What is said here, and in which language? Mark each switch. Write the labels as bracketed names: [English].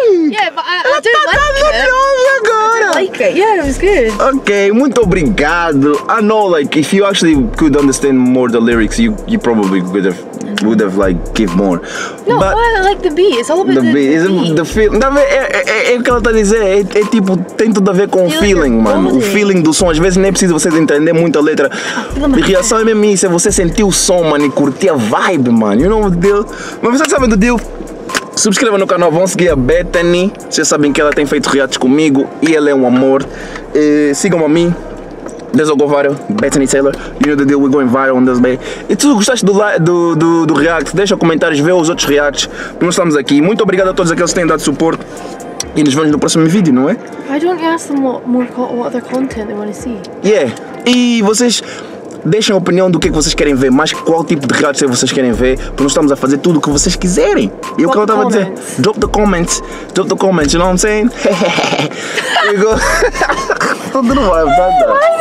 [English] Yeah, but I do like it. Yeah, it was good. [Portuguese] Okay, muito obrigado. [English] I know, like, if you actually could understand more the lyrics, you probably would have like give more. No, but I like the beat. It's all about the beat. The feel. [Portuguese] É o que ela está a dizer. É tipo, tem tudo a ver com o feeling, mano. O feeling do som. Às vezes nem é preciso vocês entender muito a letra. A reação é mesmo isso. É você sentir o som, mano, e curtir a vibe, mano. [English] You know the deal? [Portuguese] Mas vocês sabem do deal? Subscreva no canal, vão seguir a Bethany. Vocês sabem que ela tem feito reatos comigo e ela é um amor. E sigam a mim, Deus go viral, Bethany Taylor. [English] You know the deal, we're going viral on this day. [Portuguese] E tu gostaste do react, deixa comentários, vê os outros reacts. Nós estamos aqui. Muito obrigado a todos aqueles que têm dado suporte. E nos vemos no próximo vídeo, não é? [English] I don't ask them what other content they want to see. [Portuguese] Yeah, e vocês deixem a opinião do que vocês querem ver, mas qual tipo de reality vocês querem ver, porque nós estamos a fazer tudo o que vocês quiserem. E o que eu estava a dizer? [English] Drop the comments, you know what I'm saying? Hehehehe. [Portuguese] Tudo no vibe, tá?